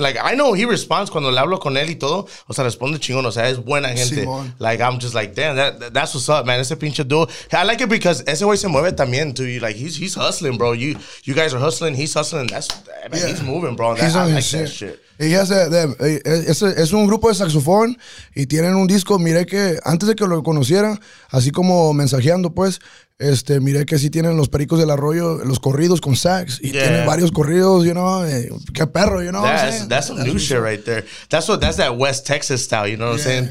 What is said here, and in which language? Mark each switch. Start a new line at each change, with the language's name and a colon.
English: Like, I know he responds
Spanish: cuando le hablo con él y todo. O sea, responde chingón. O sea, es buena gente. Simón.
English: Like, I'm just like, damn, that's what's up, man.
Spanish: Ese pinche duo.
English: I like it because
Spanish: ese güey se mueve también,
English: too. Like, he's hustling, bro. You guys are hustling. He's hustling. That's, man, yeah. He's moving, bro. That, he's on I like shit. That shit.
Spanish: Y es un grupo de saxofón y tienen un disco. Miré que antes de que lo conociera, así como mensajeando, pues, miré que sí tienen los Pericos del Arroyo, los corridos con sax. Y yeah. Tienen varios corridos,
English: you know.
Spanish: Qué perro,
English: you know. That's some new shit right there. That's that West Texas style, you know what I'm saying?